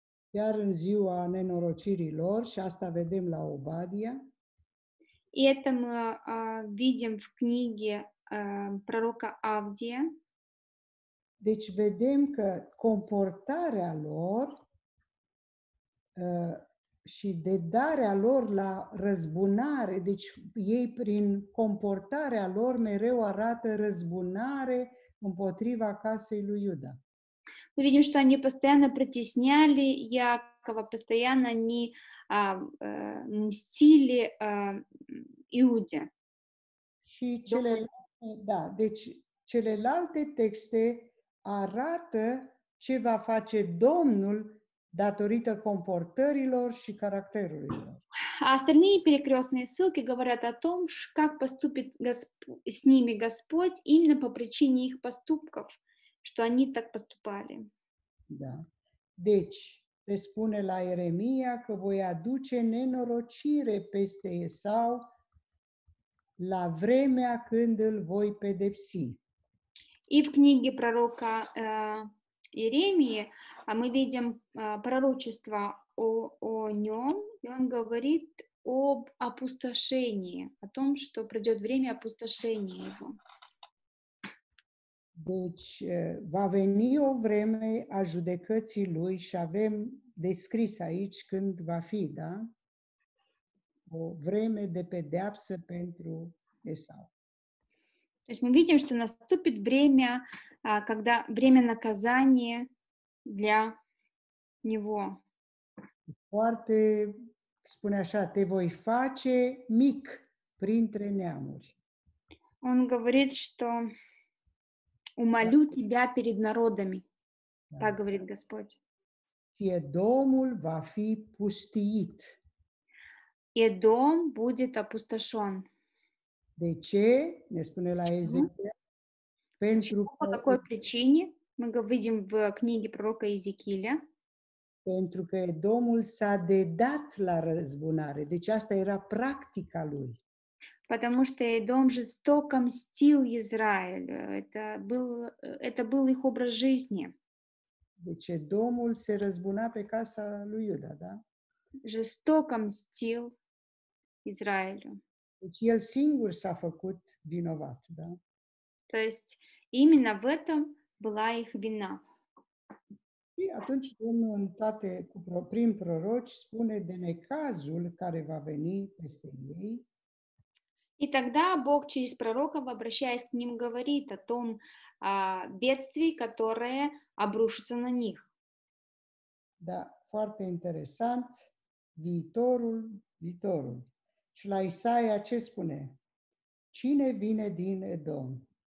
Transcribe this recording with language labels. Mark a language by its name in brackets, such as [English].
[Romanian] Iar în ziua nenorocirii lor, și asta vedem la Obadia. [Russian] И это мы видим в книге пророка Авдия. [Romanian] Deci vedem că comportarea lor și dedarea lor la răzbunare, deci ei prin comportarea lor mereu arată răzbunare împotriva casei lui Iuda. [Russian] Мы видим, что они постоянно притесняли Якова, постоянно они мстили Иуде. [Romanian] Și celelalte, да, deci celelalte texte arată ce va face Domnul Datorită comportărilor și caracterurilor. [Russian] Остальные перекрестные ссылки говорят о том, как поступит с ними Господь именно по причине их поступков, что они так поступали. Да. [Romanian] Deci, le spune la Ieremia că voi aduce nenorocire peste Esau la vremea când îl voi pedepsi. [Russian] И в книге пророка Иеремии мы видим пророчество о нем, и он говорит об опустошении, о том, что придет время опустошения его. [Romanian] Deci, va veni o vreme a judecății lui și avem descris aici când va fi, da? O vreme de pedeapsă pentru Esau. [Russian] То есть мы видим, что наступит время, когда время наказания для него. [Romanian] Foarte, spune așa, te voi face mic printre neamuri. [Russian] Он говорит, что умолю тебя перед народами. Да. Так говорит Господь. [Romanian] Едомул ва фи пустиит. [Russian] Едом будет опустошен. [Romanian] De ce? Ne spune la Ezechiel. Pentru că... [Russian] По какой причине? Мы видим в книге пророка Иезекииля. [Romanian] Pentru că Edomul s-a dedat la răzbunare. Deci asta era practica lui. [Russian] Потому что Едом жестоко мстил Израилю. Это был их образ жизни. [Romanian] Deci Edomul se răzbuna pe casa lui Iuda, да? [Russian] Жестоко мстил Израилю. [Romanian] Deci el singur s-a făcut vinovat, da? [Russian] То есть именно в этом была их вина. [Romanian] Și atunci Domnul în toate, prin proroci, spune de necazul care va veni peste ei. [Russian] И тогда Бог через пророков, обращаясь к ним, говорит о том бедствии, которое обрушится на них. [Romanian] Да, foarte interesant. Viitorul. Și la Isaia ce spune? Cine vine din Edom?